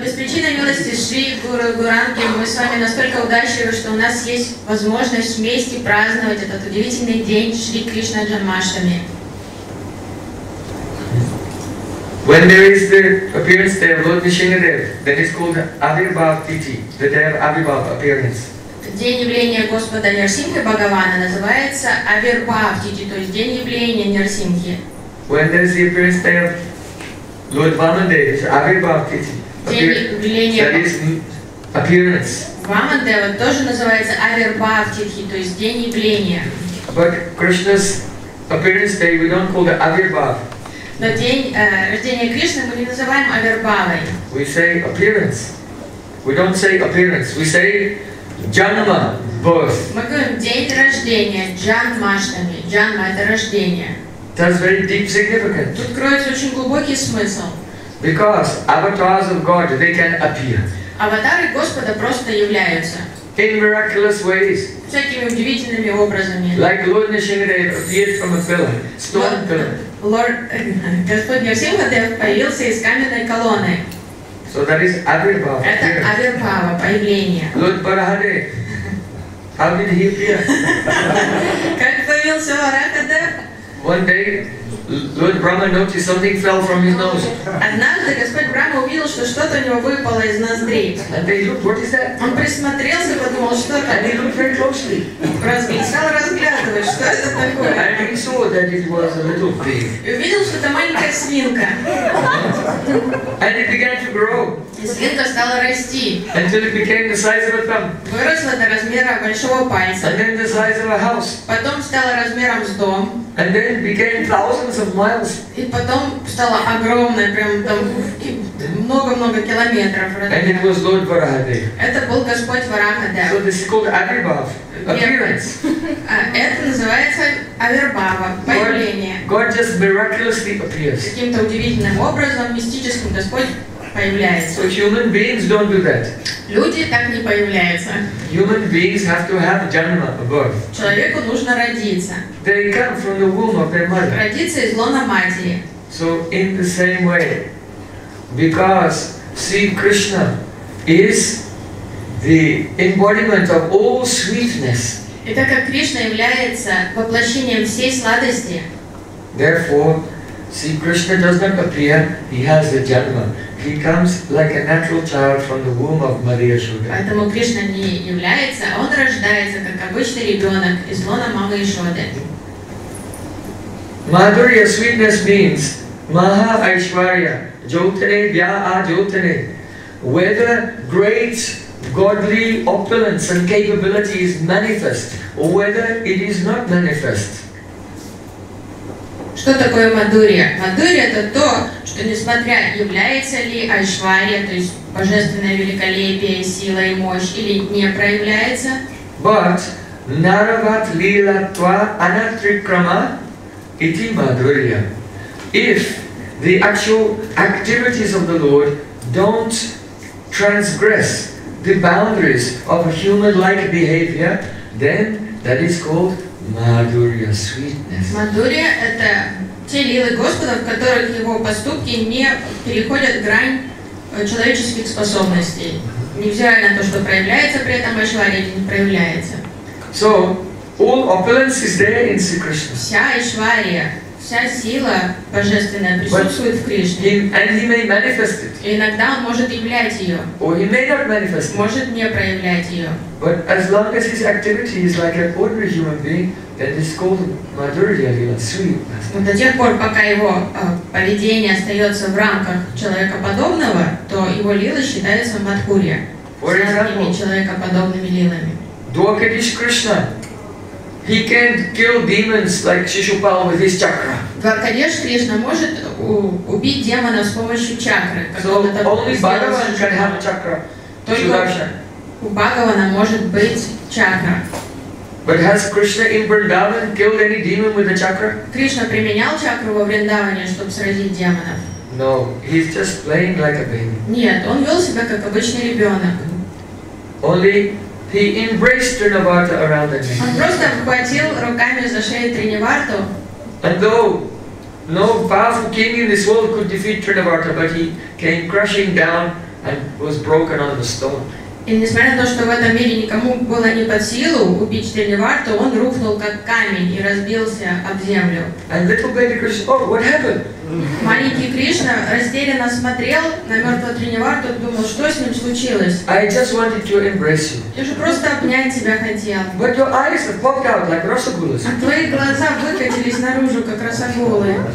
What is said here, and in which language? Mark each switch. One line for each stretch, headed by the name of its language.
English: When there is the appearance there of Lord Vishnudev, that is called Abhibhav Titi, the day of Abhibhav appearance.
Russian: День явления Господа Нарсимхи Бхагавана называется Абхирбхав Титхи, то есть день явления Нарсимхи.
English: When there is the appearance day of Lord Vamadeva, it's Абхирбхав Титхи.
Russian: Vamadeva тоже называется Абхирбхав Титхи, то есть день явления.
English: But Krishna's appearance day we don't call the Абхирбхав.
Russian: Но день рождения Кришны мы не называем Абхирбхавой.
English: We say appearance. We don't say appearance. We say Janma, birth.
Russian: Мы говорим день рождения, Janmashtami. Janma это рождение.
English: That's very deep significance.
Russian: Тут кроется очень глубокий смысл.
English: Because avatars of God, they can appear.
Russian: Аватары Господа просто являются.
English: In miraculous ways.
Russian: Всякими удивительными образами.
English: Like Lord Nishinadev appeared from a pillar, stone pillar.
Russian: Lord, Господь Нарсимхадев появился из каменной колонны.
English: So that is Abhirbhava.
Russian: Это Абхирбхава, появление.
English: Lord Barahade, how did he appear?
Russian: Как появился Барахаде?
English: One day, Lord Brahma noticed something fell from his nose.
Russian: Однажды Господь Брама увидел, что что-то у него выпало из ноздрей.
English: And they looked, what is that?
Russian: Он присмотрелся, подумал, что это.
English: And he looked very closely.
Russian: Стал разглядывать, что это такое.
English: And he saw that it was a little pig.
Russian: Увидел, что это маленькая свинка.
English: And it began to grow.
Russian: И свинка стала расти.
English: Until it became the size of a thumb.
Russian: Выросла до размера большого пальца.
English: And then the size of a house.
Russian: Потом стала размером с дом.
English: And then became thousands of miles.
Russian: И потом стало огромное, прям там много-много километров.
English: And it was Lord Varahade.
Russian: Это был Господь Варахаде.
English: So this is called Abhirbhav, appearance.
Russian: Это называется Абхирбхава, появление.
English: God just miraculously appears.
Russian: Каким-то удивительным образом, мистическим Господь появляется.
English: So human beings don't do that.
Russian: Люди так не появляются.
English: Human beings have to have janma, a birth.
Russian: Человеку нужно родиться.
English: They come from the womb of their mother.
Russian: Родиться из лона матери.
English: So in the same way, because Sri Krishna is the embodiment of all sweetness.
Russian: И так как Кришна является воплощением всей сладости.
English: Therefore, Sri Krishna does not appear. He has the janma. He comes like a natural child from the womb of Maria Yashoda.
Russian: Поэтому Кришна не является, он рождается как обычный ребенок из лона мамы Яшоды.
Sanskrit: Madhurya
English: sweetness means
Sanskrit: Maha Aishwarya Jyotane Vya Ajyotane.
English: Whether great godly opulence and capability is manifest or whether it is not manifest.
Russian: Что такое Madhurya? Madhurya это то, что несмотря является ли Aishwarya, то есть божественное великолепие, сила и мощь, или не проявляется.
Sanskrit: But Naravat Lila Tva Anatrikrama. Iti Madhurya.
English: If the actual activities of the Lord don't transgress the boundaries of human-like behavior, then that is called Madhurya, sweetness.
Russian: Madhurya – это те лилы Господа, в которых его поступки не переходят грань человеческих способностей. Невзирая на то, что проявляется при этом Айшварья или не проявляется.
English: So, all opulence is there in Sri Krishna.
Russian: Вся Айшвария, вся сила божественная присутствует в Кришне.
English: And he may manifest it.
Russian: Иногда он может являть ее.
English: Or he may not manifest it.
Russian: Может не проявлять ее.
English: But as long as his activity is like an ordinary human being, then it's called Madhurya Lila, sweetness.
Russian: Но до тех пор, пока его поведение остается в рамках человекоподобного, то его лила считается Мадхурья.
English: For example,
Russian: человекоподобными лилами.
English: Dwarkadish Krishna. He can kill demons like Shishupala with his chakra.
Russian: Dwarkadish Krishna может убить демона с помощью чакры.
English: So only Bhagavan can have chakra.
Russian: Только у Бхагавана может быть чакра.
English: But has Krishna in Vrindavan killed any demon with a chakra?
Russian: Кришна применял чакру во Вриндаване, чтобы сразить демонов.
English: No, he's just playing like a baby.
Russian: Нет, он вел себя как обычный ребенок.
English: Only he embraced Trinivarta around the neck.
Russian: Он просто обхватил руками за шею Тринивартху.
English: And though no powerful king in this world could defeat Trinivarta, but he came crashing down and was broken on the stone.
Russian: И несмотря на то, что в этом мире никому было не под силу убить Тринивартху, он рухнул как камень и разбился об землю.
English: And little baby Krishna, oh, what happened?
Russian: Маленький Кришна растерянно смотрел на мертвого Тринивартху и думал, что с ним случилось.
English: I just wanted to embrace you.
Russian: Я же просто обнять тебя хотел.
English: But your eyes have popped out like rasagulas.
Russian: А твои глаза выкатились наружу, как рассагулы.